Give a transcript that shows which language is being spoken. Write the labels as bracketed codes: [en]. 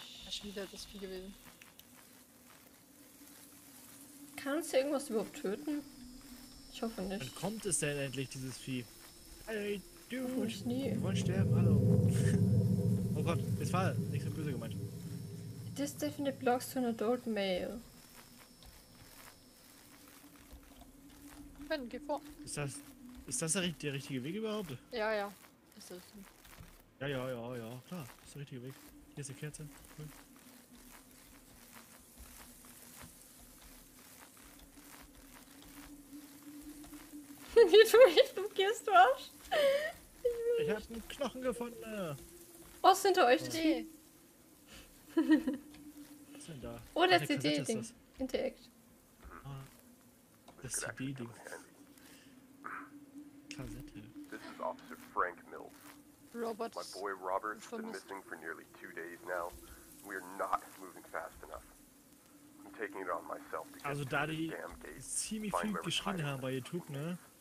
[de] Schon wieder das Vieh gewesen. Kannst du irgendwas überhaupt töten? Ich hoffe nicht. Wann kommt es denn endlich, dieses Vieh? Hey, du! Wollte ich nie. Wir wollen sterben, hallo. Oh Gott, es war nicht so böse gemeint. [en] This definitely belongs to an adult male. [de] Ben, geh vor. Ist das der richtige Weg überhaupt? Ja, ja. Ist das. Ja, klar. Ist der richtige Weg. Hier ist die Kerze. Cool. Wie du mich blockierst, du Arsch. Ich hab einen Knochen gefunden. Was ist hinter euch? Die. Was ist denn da? Oh, der CD-Ding. Interact. Ah, das CD-Ding. Kassette. [en] This is Officer Frank Mills. Robert. My boy Robert's been missing for nearly 2 days now. We are not moving fast enough. I'm taking it on myself. [de] Also da die ziemlich viel geschrien haben bei YouTube, ne?